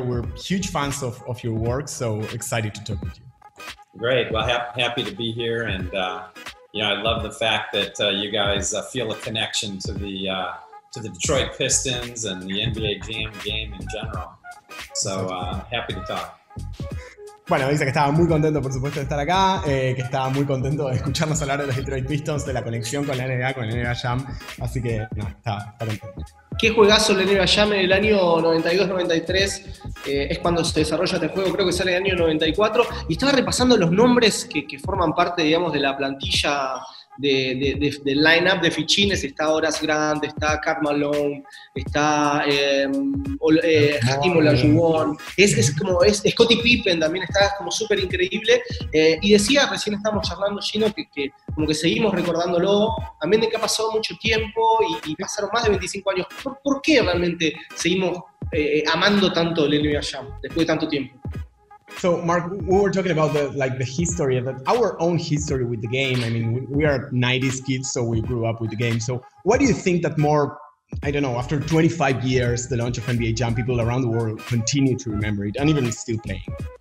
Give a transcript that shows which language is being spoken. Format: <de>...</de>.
<en>We're huge fans of your work, so excited to talk with you. Great. Well, happy to be here, and I love the fact that you guys feel a connection to the Detroit Pistons and the NBA Jam game in general. So happy to talk.</en> <es>Bueno, dice que estaba muy contento, por supuesto, de estar acá, que estaba muy contento de escucharnos hablar de los Detroit Pistons, de la conexión con la NBA, con el NBA Jam, así que, está contento. Qué juegazo el NBA Jam en el año 92-93, es cuando se desarrolla este juego, creo que sale en el año 94, y estaba repasando los nombres que forman parte, digamos, de la plantilla de line-up de fichines. Está Horace Grant, está Karl Malone, está Hakeem Olajuwon, es Scottie Pippen también está, como súper increíble, y decía, recién estábamos charlando, Gino, que como que seguimos recordándolo, también de que ha pasado mucho tiempo y pasaron más de 25 años, ¿por qué realmente seguimos amando tanto el NBA Jam después de tanto tiempo?</es> <en>So, Mark, we were talking about the history of our own history with the game. I mean, we are 90s kids, so we grew up with the game. So what do you think that more, I don't know, after 25 years, the launch of NBA Jam, people around the world continue to remember it and even still playing?</en>